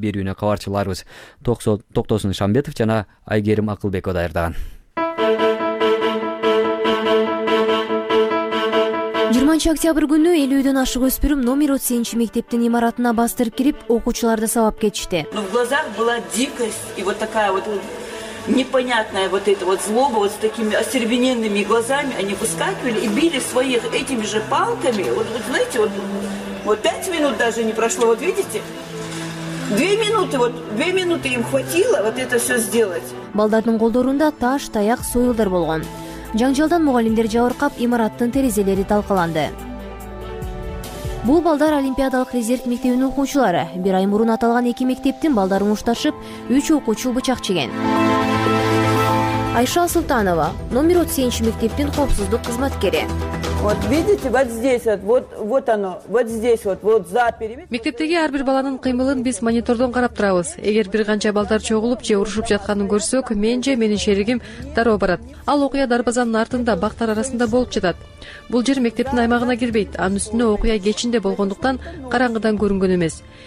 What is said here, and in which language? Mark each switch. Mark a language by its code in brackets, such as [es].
[ky] Берүүнү кабарчыларыбыз Токтосун Шамбетов жана Айгерим Акылбекова даярдаган. 20 октябрь күнү 50-дөн ашык өспүрүм номер 32 мектептин имаратына бастырып кирип, окуучуларды сабап кетишти. [ru] В глазах была дикость и вот такая вот непонятная вот эта вот злоба, вот с такими остервененными глазами они выскакивали и били своих этими же палками. Вот знаете, вот 5 минут даже не прошло, вот видите? 2 минуты им хватило вот это все сделать. [ky] Балдардын колдорунда таш, таяк, союлдар болгон. Жаңжалдан мугалимдер жабыркап, имараттын терезелери талкаланды. Бул балдар олимпиадалык резерв мектебинин окуучулары. Бир ай мурун аталган эки мектептин балдары мушташып, 3 окуучу бычак чеген. Айша Султанова, номер 32 мектептин коопсуздук кызматкери. [ru] Вот видите, вот здесь вот оно, вот здесь вот за периметр. [ky] Мектептеги ар бир баланын кыймылын биз монитордон карап турабыз. Эгер бир канча балдар чогулуп же урушуп жатканын көрсөк, мен же менин шеригим дароо барат. Ал окуя дарбазанын артында бактар арасында болуп жатат. Бул жер мектептин аймагына кирбейт. Анын үстүнө окуя кечинде болгондуктан караңгыдан көрүнгөн эмес.